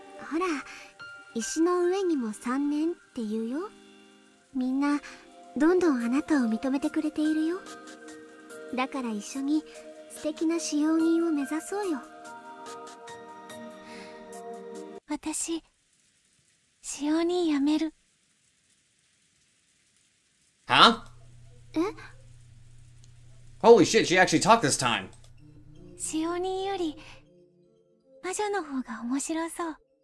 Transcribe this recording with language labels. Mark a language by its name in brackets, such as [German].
[Japanese] ほら、石の上にも3年って言うよ。みんな、どんどんあなたを認めてくれているよ。だから一緒に素敵な使用人を目指そうよ。私、使用人辞める。 [English] Huh? え? Holy shit, she actually talked this time! [Japanese] 使用人より魔女の方が面白そう。